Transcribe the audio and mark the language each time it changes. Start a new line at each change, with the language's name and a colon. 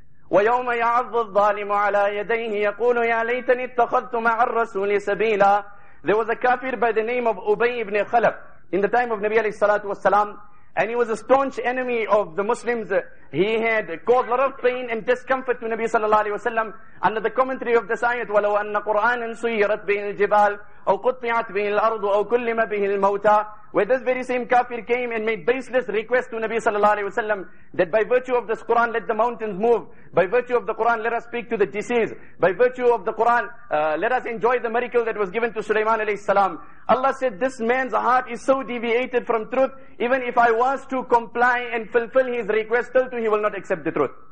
Arabic: وَيَوْمَ يَعَظُّ الظَّالِمُ عَلَىٰ يَدَيْهِ يَقُولُ يَا لَيْتَنِي اتَّخَذْتُ مَعَ الرَّسُولِ سَبِيلًا.
English: There was a kafir by the name of Ubay ibn Khalaf in the time of Nabi alayhi salatu wa sallam, and he was a staunch enemy of the Muslims. He had caused a lot of pain and discomfort to Nabi sallallahu alayhi wa sallam. Under the commentary of this ayat,
Arabic: وَلَوْ أَنَّ قُرْآنًا سُيِّرَتْ بِهِ الْجِبَالِ أَوْ قُطِّعَتْ بِهِ الْأَرْضُ أَوْ كُلِّمَ بِهِ الْمَوْتَى.
English: Where this very same kafir came and made baseless request to Nabi sallallahu alayhi wa sallam, that by virtue of this Quran, let the mountains move. By virtue of the Quran, let us speak to the deceased. By virtue of the Quran, let us enjoy the miracle that was given to Sulaiman alayhi salam. Allah said, this man's heart is so deviated from truth, even if I was to comply and fulfill his request, still too, he will not accept the truth.